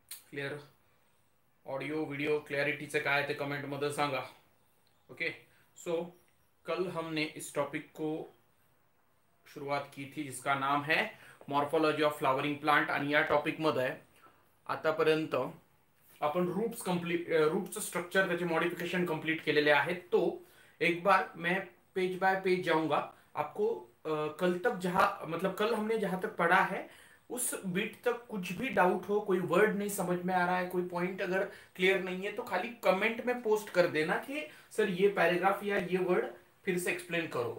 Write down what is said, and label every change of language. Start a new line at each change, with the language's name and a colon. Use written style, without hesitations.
Marathi: Clear audio video क्लॅरिटीचं काय ते comment मध्ये सांगा।
Hindi: ओके सो कल हमने इस टॉपिक को शुरुआत की थी जिसका नाम है मॉर्फोलॉजी ऑफ फ्लावरिंग प्लांट।
Marathi: आणि या टॉपिक मध्ये आतापर्यंत आपण रूट्स कंप्लीट रूट्स स्ट्रक्चर त्याचे मॉडिफिकेशन कंप्लीट केलेले आहेत।
Hindi: तो एक बार मैं पेज बाय पेज जाऊंगा आपको कल तक जहां मतलब कल हमने जहां तक पढ़ा है उस बिट तक कुछ भी डाउट हो कोई वर्ड नहीं समझ में आ रहा है कोई पॉइंट अगर क्लियर नहीं है तो खाली कमेंट में पोस्ट कर देना कि सर ये पैराग्राफ या ये वर्ड फिर से एक्सप्लेन करो।